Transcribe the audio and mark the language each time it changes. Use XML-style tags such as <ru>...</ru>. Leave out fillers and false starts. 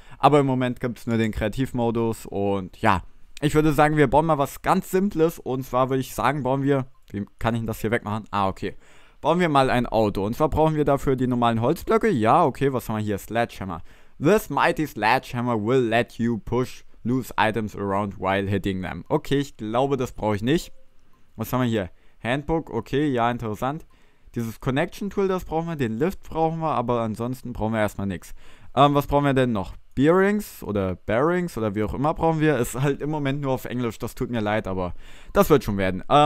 <de>Aber im Moment gibt es nur den Kreativmodus und ja. Ich würde sagen, wir bauen mal was ganz Simples. Und zwar würde ich sagen, bauen wir... Wie kann ich das hier wegmachen? Ah, okay. Bauen wir mal ein Auto. Und zwar brauchen wir dafür die normalen Holzblöcke. Ja, okay, was haben wir hier?</de> <en>Sledgehammer. This mighty sledgehammer will let you push... Lose items around while hitting them.</en> <de>Okay, ich glaube, das brauche ich nicht. Was haben wir hier? Handbook, okay, ja, interessant. Dieses Connection Tool, das brauchen wir. Den Lift brauchen wir, aber ansonsten brauchen wir erstmal nichts. Was brauchen wir denn noch? Bearings oder wie auch immer brauchen wir. Ist halt im Moment nur auf Englisch, das tut mir leid, aber das wird schon werden.</de>